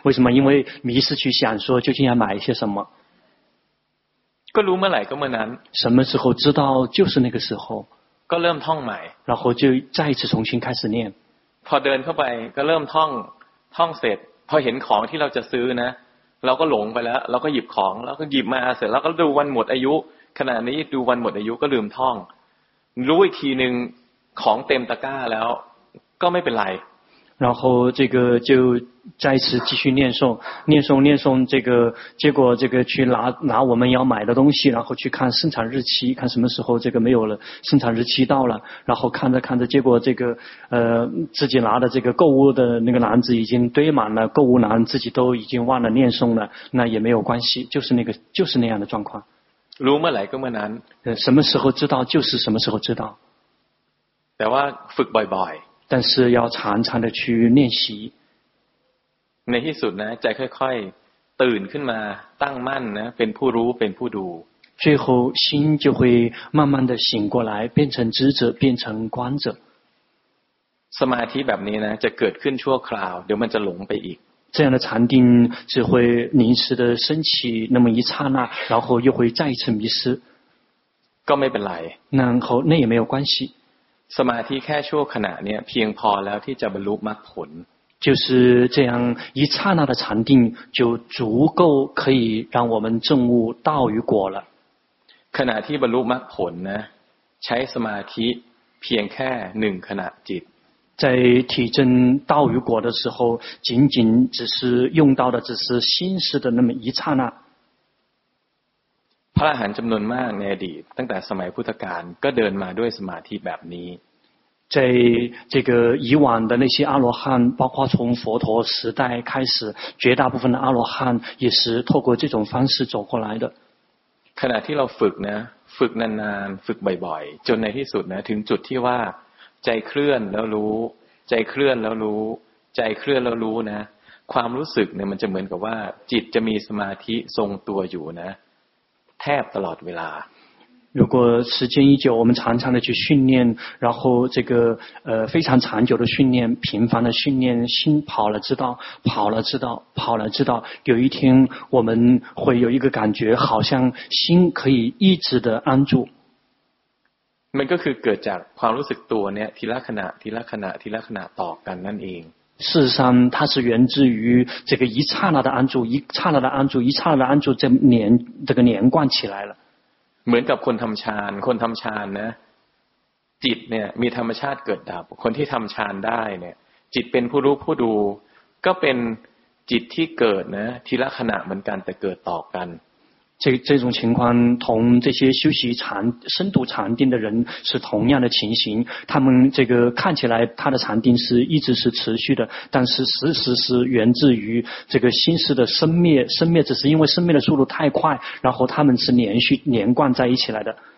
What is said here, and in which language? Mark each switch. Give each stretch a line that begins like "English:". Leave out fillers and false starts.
Chinese: 为什么？因为迷失去想说究竟要买一些什么。
Thai: ก็รู้เมื่อไหร่ก็เมื่อนั้น。
Chinese: 什么时候知道就是那个时候。
Thai: ก็เริ่มท่องใหม่。
Chinese: 然后就再一次重新开始念。
Thai: พอเดินเข้าไปก็เริ่มท่องท่องเสร็จพอเห็นของที่เราจะซื้อนะเราก็หลงไปแล้วเราก็หยิบของแล้วก็หยิบมาเสร็จแล้วก็ดูวันหมดอายุขณะนี้ดูวันหมดอายุก็ลืมท่องรู้อีกทีนึงของเต็มตะกร้าแล้วก็ไม่เป็นไร
Chinese: 然后这个就再次继续念诵念诵念诵这个结果这个去拿我们要买的东西然后去看生产日期看什么时候这个没有了生产日期到了然后看着看着结果这个自己拿的这个购物的那个篮子已经堆满了购物篮自己都已经忘了念诵了那也没有关系就是那样的状况如果来更难什么时候知道就是什么时候知道
Thai: แต่ว่าฝึกบ่อยบ่อย
Chinese: 但是要常常的去练习
Thai: ในที่สุดนะใจค่อยๆตื่นขึ้นมาตั้งมั่นนะเป็นผู้รู้เป็นผู้ดู
Chinese: 最后心就会慢慢的醒过来变成知者变成观者
Thai: สมาธิแบบนี้นะจะเกิดขึ้นชั่วคราวเดี๋ยวมันจะหลงไปอีก
Chinese: 这样的禅定只会临时的升起那么一刹那然后又会再一次迷失
Thai: ก็ไม่เป็นไร
Chinese: 然后那也没有关系
Thai: สมาธิแค่ชั่วขณะเนี่ยเพียงพอแล้วที่จะบรรลุมรรคผล
Chinese: 就是这样一刹那的禅定就足够可以让我们证悟道与果了
Thai: ขณะที่บรรลุมรรคผลนะใช้สมาธิเพียงแค่หนึ่งขณะจิต
Chinese: 在体证道与果的时候仅仅只是用到的只是心识的那么一刹那
Thai: พระอรหันต์จำนวนมากในอดีตตั้งแต่สมัยพุทธกาลก็เดินมาด้วยสมาธิแบบนี้
Chinese: 在这个以往的那些阿罗汉包括从佛陀时代开始绝大部分的阿罗汉也是透过这种方式走过来的
Thai: ขณะที่เราฝึกนะฝึกนานๆฝึกบ่อยๆจนในที่สุดนะถึงจุดที่ว่าใจเคลื่อนแล้วรู้ใจเคลื่อนแล้วรู้ใจเคลื่อนแล้วรู้นะความรู้สึกเนี่ยมันจะเหมือนกับว่าจิตจะมีสมาธิทรงตัวอยู่นะแทบตลอดเวลา
Chinese: 如果时间一久我们常常的去训练然后这个非常长久的训练频繁的训练心跑了知道跑了知道跑了知道有一天我们会有一个感觉好像心可以一直的安住
Thai: มันก็คือเกิดจากความรู้สึกตัวเนี่ยทีละขณะทีละขณะทีละขณะต่อกันนั่นเอง
Chinese: 事实上它是源自于这个一刹那的安住一刹那的安住一刹那的安住这个连贯起来了
Thai: เหมือนกับคนทําฌานคนทําฌานนะจิตเนี่ยมีธรรมชาติเกิดดับคนที่ทําฌานได้เนี่ยจิตเป็นผู้รู้ผู้ดูก็เป็นจิตที่เกิดนะทีละขณะเหมือนกันแต่เกิดต่อกัน
Chinese: 这种情况同这些修习禅深度禅定的人是同样的情形他们这个看起来他的禅定是一直是持续的但是实时是源自于这个心识的生灭生灭只是因为生灭的速度太快然后他们是连续连贯在一起来的